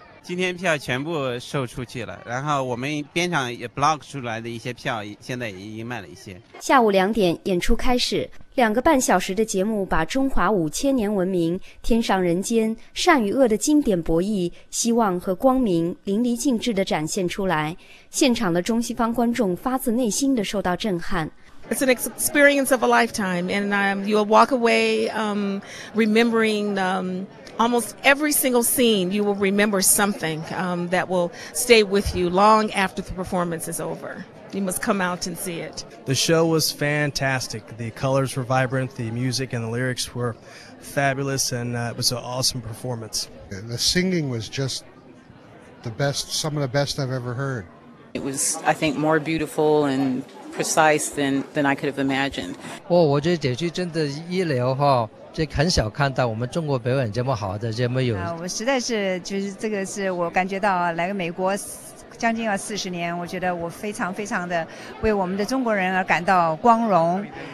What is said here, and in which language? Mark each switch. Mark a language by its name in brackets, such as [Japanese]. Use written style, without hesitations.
[Chinese] 今天票全部售出去了，然后我们边场也 block 出来的一些票现在也已经卖了一些。下午2点演出开始，两个半小时的节目把中华5000年文明、天上人间、善与恶的经典博弈、希望和光明淋漓尽致地展现出来。现场的中西方观众发自内心地受到震撼。 [English] It's an experience of a lifetime, and you'll walk away remembering almost every single scene. You will remember something that will stay with you long after the performance is over. You must come out and see it. The show was fantastic. The colors were vibrant, the music and the lyrics were fabulous, and it was an awesome performance. The singing was just the best, some of the best I've ever heard. It was, I think, more beautiful andprecise than I could have imagined. [Chinese] 我觉得这句真的一流哈，这很少看到我们中国表演这么好的这么有。我实在是就是这个是我感觉到来美国将近了40年，我觉得我非常非常的为我们的中国人而感到光荣。